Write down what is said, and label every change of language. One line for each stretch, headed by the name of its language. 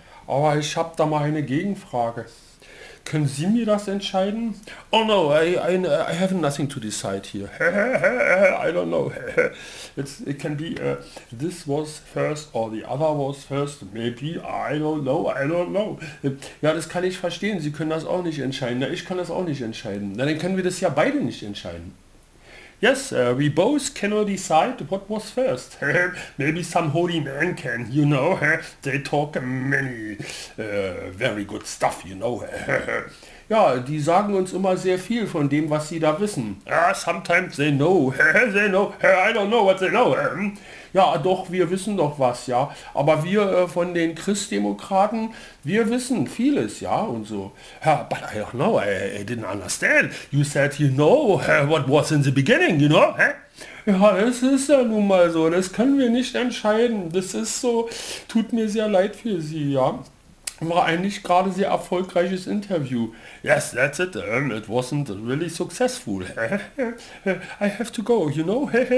German: Aber ich habe da mal eine Gegenfrage. Können Sie mir das entscheiden?
English: Oh no, I have nothing to decide here. I don't know. It can be this was first or the other was first. Maybe, I don't know.
German: Ja, das kann ich verstehen. Sie können das auch nicht entscheiden. Na, ich kann das auch nicht entscheiden. Na, dann können wir das ja beide nicht entscheiden.
English: Yes, we both cannot decide what was first. Maybe some holy man can, you know. They talk many very good stuff, you know.
German: Ja, die sagen uns immer sehr viel von dem, was sie da wissen.
English: Sometimes they know. They know. I don't know what they know.
German: Ja, doch, wir wissen doch was, ja. Aber wir von den Christdemokraten, wir wissen vieles, ja, und so.
English: But I don't know, I didn't understand. You said you know what was in the beginning, you know?
German: Ja, es ist ja nun mal so, das können wir nicht entscheiden. Das ist so, tut mir sehr leid für Sie, ja. War eigentlich gerade sehr erfolgreiches Interview.
English: Yes, that's it. It wasn't really successful. I have to go, you know?